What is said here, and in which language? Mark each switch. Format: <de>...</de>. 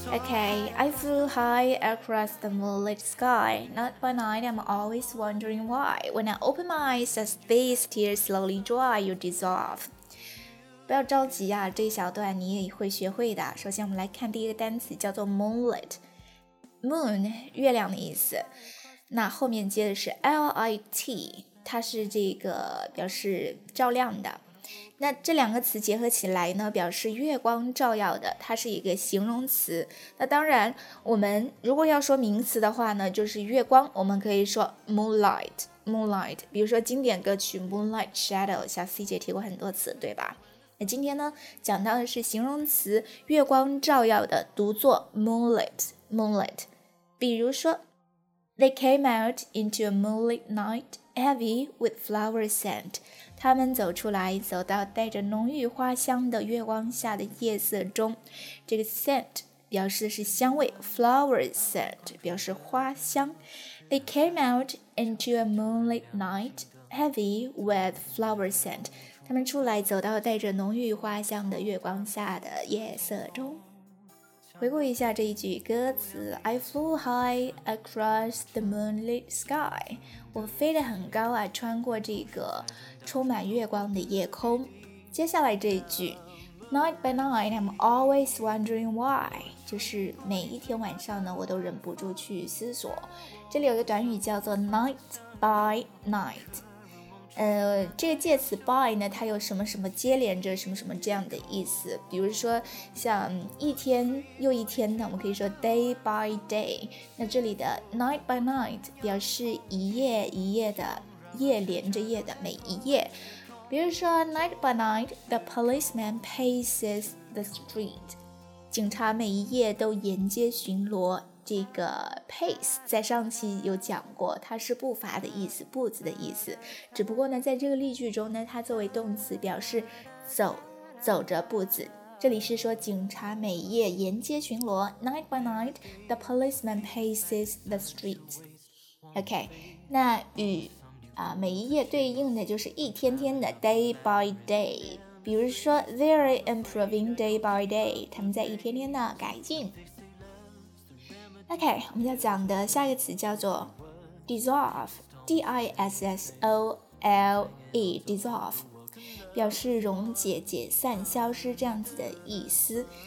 <en>Okay, I flew high across the moonlit sky, not by night I'm always wondering why, when I open my eyes as these tears slowly dry, you dissolve.</en> <zh>不要着急啊，这一小段你也会学会的。首先我们来看第一个单词，叫做 moonlit. Moon, 月亮的意思，那后面接的是 LIT， 它是这个表示照亮的。那这两个词结合起来呢，表示月光照耀的，它是一个形容词。那当然我们如果要说名词的话呢，就是月光，我们可以说 moonlight， Moonlight， 比如说经典歌曲 Moonlight Shadow， 像 C 姐提过很多次，对吧？那今天呢，讲到的是形容词月光照耀的，读作 Moonlight。比如说</zh> <en>，They came out into a moonlit night, heavy with flower scent。</en> <zh>他们走出来，走到带着浓郁花香的月光下的夜色中。这个 scent 表示的是香味 ，flower scent 表示花香。</zh> <en>They came out into a moonlit night, heavy with flower scent。</en> <zh>他们出来，走到带着浓郁花香的月光下的夜色中。回顾一下这一句歌词 ，</zh> <en>I flew high across the moonlit sky，</en> <zh>我飞得很高啊，穿过这个充满月光的夜空。接下来这一句 ，</zh> <en>Night by night I'm always wondering why，</en> <zh>就是每一天晚上呢，我都忍不住去思索。这里有个短语叫做 night by night， 这个介词 by 呢，它有什么什么接连着什么什么这样的意思。比如说像一天又一天呢，我们可以说 day by day。那这里的 night by night 表示一夜一夜的，夜连着夜的每一夜。比如说</zh> <en>night by night the policeman paces the street，</en> <zh>警察每一夜都沿街巡逻。这个 pace 在上期有讲过，它是步伐的意思，步子的意思。只不过呢，在这个例句中呢，它作为动词表示走，走着步子。这里是说警察每夜沿街巡逻</zh> <en>，night by night the policeman paces the street。</en> <zh>OK， 那与每一夜对应的就是一天天的 day by day。比如说</zh> <en>they're improving day by day，</en> <zh>他们在一天天的改进。 OK， 我们要讲的下一个词叫做 dissolve， D-I-S-S-O-L-E， dissolve 表示溶解、解散、消失这样子的意思。</zh>